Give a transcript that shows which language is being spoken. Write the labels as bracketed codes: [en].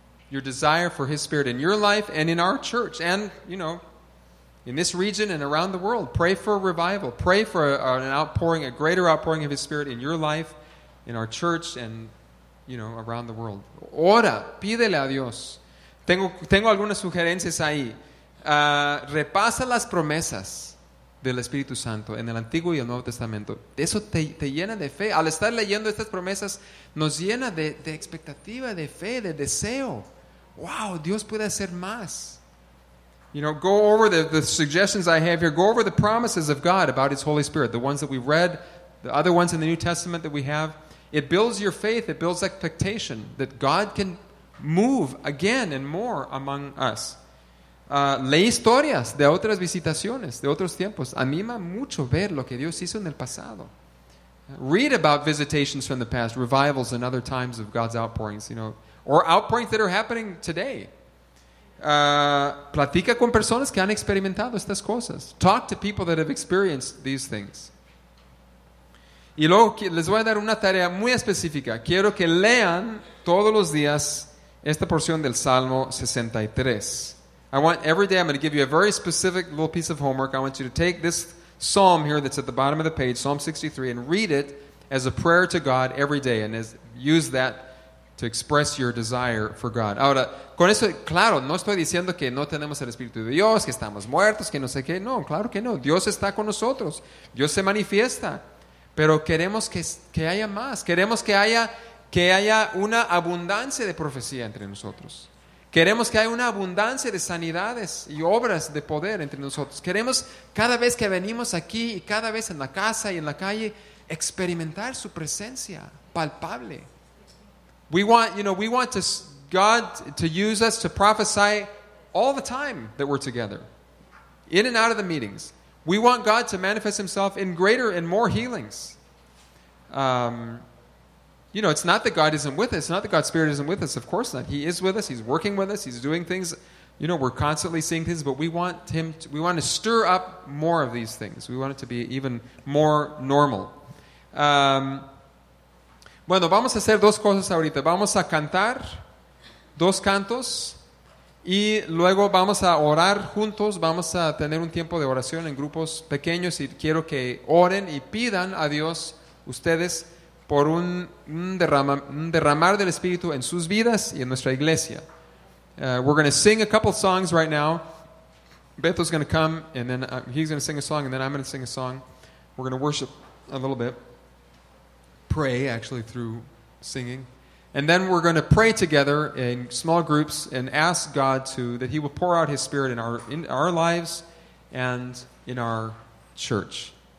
[en] your desire for His Spirit in your life and in our church and, you know, in this region and around the world. Pray for a revival. Pray for an outpouring, a greater outpouring of His Spirit in your life, in our church, and, you know, around the world. [es] Ora, pídele a Dios. Tengo algunas sugerencias ahí. Repasa las promesas del Espíritu Santo en el Antiguo y el Nuevo Testamento. Eso te llena de fe. Al estar leyendo estas promesas, nos llena de expectativa, de fe, de deseo. Wow, Dios puede hacer más. [en] You know, go over the suggestions I have here. Go over the promises of God about His Holy Spirit, the ones that we've read, the other ones in the New Testament that we have. It builds your faith. It builds expectation that God can move again and more among us. [es] Lee historias de otras visitaciones, de otros tiempos. Anima mucho ver lo que Dios hizo en el pasado. [en] Read about visitations from the past, revivals and other times of God's outpourings, you know, or outpourings that are happening today. [es] Platica con personas que han experimentado estas cosas. [en] Talk to people that have experienced these things. [es] Y luego les voy a dar una tarea muy específica. Quiero que lean todos los días esta porción del Salmo 63. [en] I want every day, I'm going to give you a very specific little piece of homework. I want you to take this psalm here that's at the bottom of the page, Psalm 63, and read it as a prayer to God every day, and use that to express your desire for God. [es] Ahora, con eso, claro, no estoy diciendo que no tenemos el Espíritu de Dios, que estamos muertos, que no sé qué. No, claro que no. Dios está con nosotros. Dios se manifiesta. Pero queremos que haya más. Queremos que haya una abundancia de profecía entre nosotros. Queremos que haya una abundancia de sanidades y obras de poder entre nosotros. Queremos cada vez que venimos aquí y cada vez en la casa y en la calle experimentar su presencia palpable. [en] We want God to use us to prophesy all the time that we're together, in and out of the meetings. We want God to manifest Himself in greater and more healings. You know, it's not that God isn't with us. It's not that God's Spirit isn't with us. Of course not. He is with us. He's working with us. He's doing things. You know, we're constantly seeing things, but we want to stir up more of these things. We want it to be even more normal. [es] Bueno, vamos a hacer dos cosas ahorita. Vamos a cantar dos cantos y luego vamos a orar juntos. Vamos a tener un tiempo de oración en grupos pequeños y quiero que oren y pidan a Dios ustedes por un derramar del Espíritu en sus vidas y en nuestra iglesia. [en] We're going to sing a couple songs right now. Beto's going to come and then he's going to sing a song and then I'm going to sing a song. We're going to worship a little bit. Pray, actually, through singing. And then we're going to pray together in small groups and ask God that He will pour out His Spirit in our lives and in our church.